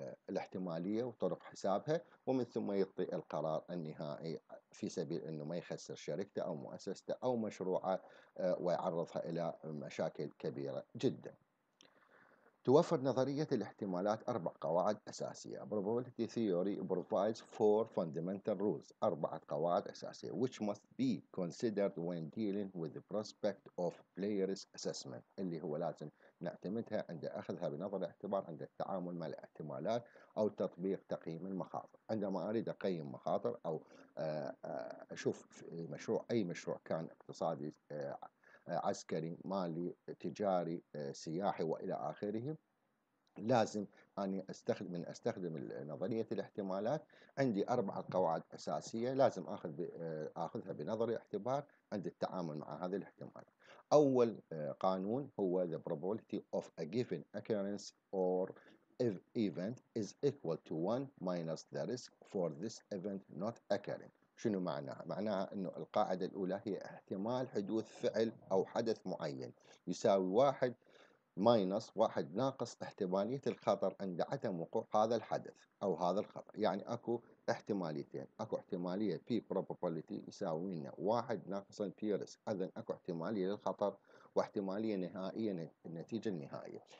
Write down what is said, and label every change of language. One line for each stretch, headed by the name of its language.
Arabic: الاحتمالية وطرق حسابها، ومن ثم يعطي القرار النهائي في سبيل أنه ما يخسر شركته أو مؤسسته أو مشروعه ويعرضها إلى مشاكل كبيرة جدا. توفر نظرية الاحتمالات أربع قواعد أساسية.
English: Probability theory provides four fundamental rules.
Arabic: أربعة قواعد أساسية.
English: Which must be considered when dealing with the prospect of player's assessment.
Arabic: اللي هو لازم نعتمدها عند أخذها بنظر الاعتبار عند التعامل مع الاحتمالات أو تطبيق تقييم المخاطر. عندما أريد أقيم مخاطر أو أشوف مشروع أي مشروع كان اقتصادي عسكري مالي تجاري سياحي وإلى آخره، لازم أني أستخدم نظرية الاحتمالات. عندي أربعة قواعد أساسية لازم أخذها بنظر الاعتبار عند التعامل مع هذه الاحتمالات. أول قانون هو
English: the probability of a given occurrence or event is equal to 1 minus the risk for this event not occurring.
Arabic: شنو معناها؟ معناها أنه القاعدة الأولى هي احتمال حدوث فعل أو حدث معين يساوي واحد ماينس واحد ناقص احتمالية الخطر عند عدم وقوع هذا الحدث أو هذا الخطر. يعني أكو احتماليتين، أكو احتمالية P probability يساوي لنا واحد ناقص P risk، إذن أكو احتمالية للخطر واحتمالية نهائية النتيجة النهائية.